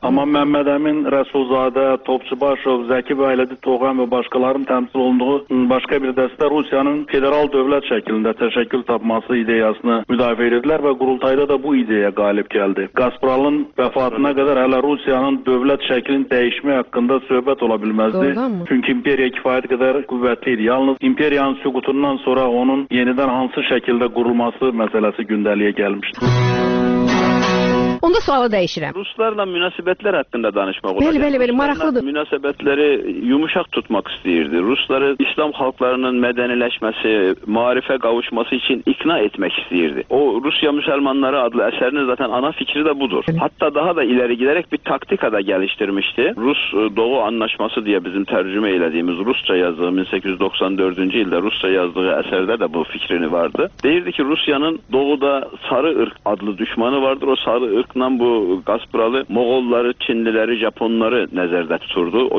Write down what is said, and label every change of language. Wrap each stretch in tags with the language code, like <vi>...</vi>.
<tr>Ama Mehmet Emin, Resulzade, Topçubaşov, Zeki Beyledi, Toğan ve başkalarının temsil olunduğu başka bir deste Rusya'nın federal devlet şeklinde teşekkül tapması ideyasını müdafiye edildiler ve kurultayda da bu ideye galip geldi. Gaspıralı'nın vefatına kadar hala Rusya'nın devlet şeklinin değişme hakkında söhbet olabilmezdi. Çünkü imperya kifayet kadar kuvvetliydi. Yalnız imperyanın sükutundan sonra onun yeniden hansı şekilde kurulması meselesi gündeliğe gelmişti.</tr> <az>Onda sualı değişirəm. Ruslarla münasibətlər haqqında danışmaq olacaq. Bəli, maraqlıdır. Münasibətləri yumuşaq tutmaq istəyirdi. Rusları İslam xalqlarının mədəniləşməsi, maarifə qavuşması üçün ikna etmək istəyirdi. O Rusya müsəlmanları adlı əsərinin zaten ana fikri də budur. Bəli.</az> <tr>Hatta daha da ileri giderek bir taktika da geliştirmişti. Rus Doğu Anlaşması diye bizim tercüme elediğimiz Rusça yazdığı 1894. ilde Rusça yazdığı eserde de bu fikrini vardı. Deyirdi ki Rusya'nın Doğu'da Sarı Irk adlı düşmanı vardır. O Sarı Irk'la bu Gaspralı Moğolları, Çinlileri, Japonları nezerde tuturdu.</tr>